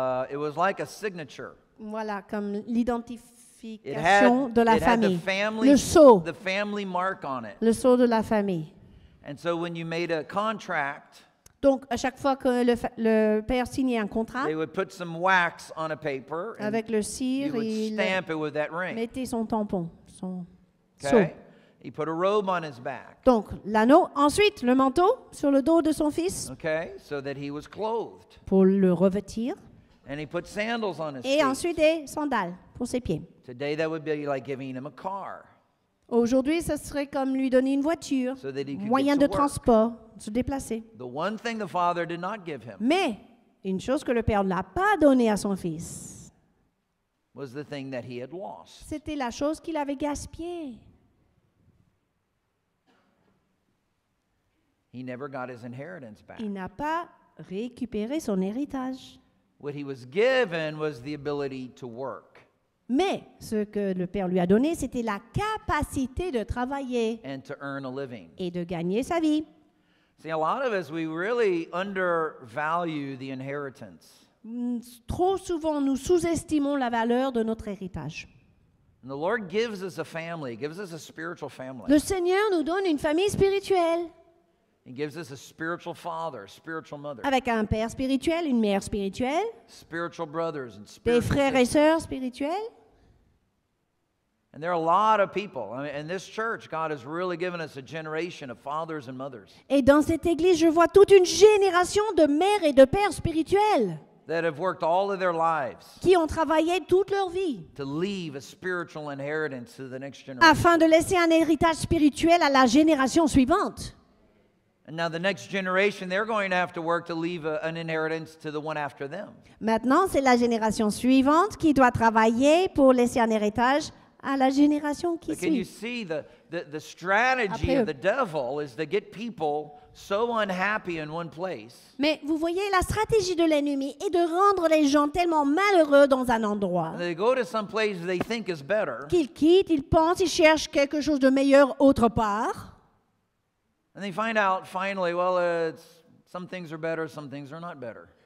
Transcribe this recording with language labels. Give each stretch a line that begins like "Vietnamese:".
English: it was like a signature.
French: Voilà comme l'identification de la famille.
English: Family,
French: le sceau.
English: The family mark on it.
French: Le sceau de la famille.
English: And so when you made a contract,
French: donc, à chaque fois que le père signait un contrat,
English: they would put some wax on a paper
French: avec le cire,
English: he would stamp it with that ring.
French: Mettait son tampon, son
English: sceau. He put a robe on his back.
French: Donc, l'anneau. Ensuite, le manteau sur le dos de son fils.
English: Okay, so that he was clothed.
French: Pour le revêtir.
English: And he put sandals on his
French: feet. Et ensuite, des sandales pour ses pieds.
English: Today, that would be like giving him a car.
French: Aujourd'hui, ce serait comme lui donner une voiture,
English: so that he could
French: moyen
English: get
French: de
English: to
French: transport,
English: work.
French: Se déplacer.
English: The one thing the father did not give him
French: mais une chose que le père n'a pas donnée à son fils,
English: was the thing that he had lost.
French: C'était la chose qu'il avait gaspillée.
English: He never got his inheritance back.
French: Il n'a pas récupéré son héritage.
English: What he was given was the ability to work.
French: Mais ce que le père lui a donné, c'était la capacité de travailler
English: and to earn a living.
French: Et de gagner sa vie.
English: See, a lot of us, we really undervalue the inheritance.
French: Trop souvent, nous sous-estimons la valeur de notre héritage.
English: And the Lord gives us a family, gives us a spiritual family.
French: Le Seigneur nous donne une famille spirituelle.
English: He gives us a spiritual father, a spiritual mother.
French: Avec un père spirituel, une mère spirituelle.
English: Spiritual brothers and spiritual
French: des frères et sœurs spirituels.
English: And there are a lot of people. I mean, in this church, God has really given us a generation of fathers and mothers.
French: Et dans cette église, je vois toute une génération de mères et de pères spirituels.
English: that have worked all of their lives
French: qui ont travaillé toute leur vie
English: to leave a spiritual inheritance to the next generation.
French: Afin de laisser un héritage spirituel à la génération suivante.
English: And now the next generation, they're going to have to work to leave an inheritance to the one after them.
French: Maintenant, c'est la génération suivante qui doit travailler pour laisser un héritage à la génération qui suit.
English: Can you see the strategy of the devil is to get people so unhappy in one place.
French: Mais vous voyez, la stratégie de l'ennemi est de rendre les gens tellement malheureux dans un endroit.
English: They go to some place they think is better.
French: Qu'ils quittent, ils pensent, ils cherchent quelque chose de meilleur autre part.
English: And they find out finally, well, it's some things are better, some things are not better.